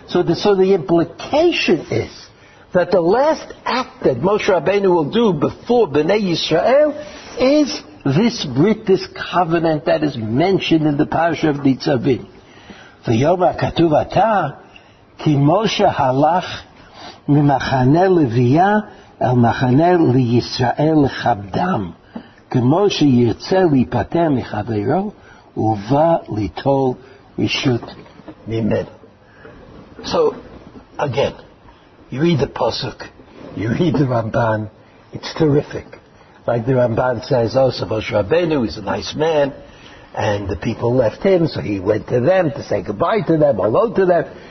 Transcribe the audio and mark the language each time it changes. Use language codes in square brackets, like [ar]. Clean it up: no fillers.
[en] So the implication is that the last act that Moshe Rabbeinu will do before Bnei Yisrael is this brit, this covenant that is mentioned in the parasha of Nitzavim. [he] V'yomer katuv ata ki Moshe halach ממחנה לוויה אל מחנה לישראל לחבדם, כמו שירצה להיפטר מחברו ובא ליטול רשות ממנו. [en] So again, you read the pasuk, you read the Ramban, it's terrific. Like the Ramban says, oh, so Moshe Rabbeinu is a nice man, and the people left him, so he went to them to say goodbye to them, hello to them.